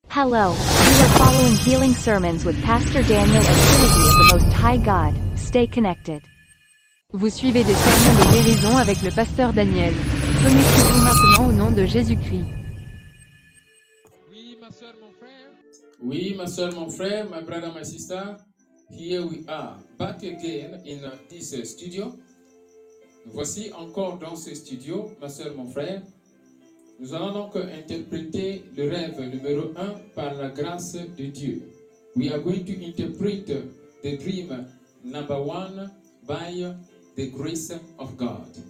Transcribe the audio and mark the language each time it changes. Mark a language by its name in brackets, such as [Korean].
[English] Hello, you are following healing sermons with Pastor Daniel and Trinity of the Most High God. Stay connected. [French] Vous suivez des sermons de guérison avec le pasteur Daniel. Connectez-vous maintenant au nom de Jésus-Christ. Oui, ma soeur, mon frère. Oui, ma soeur, mon frère, [English] my brother, my sister. Here we are, back again in this studio. [French] Voici encore dans ce studio, ma soeur, mon frère. Nous allons donc interpréter le rêve numéro 1 par la grâce de Dieu. [English] We are going to interpret the dream number 1 by the grace of God.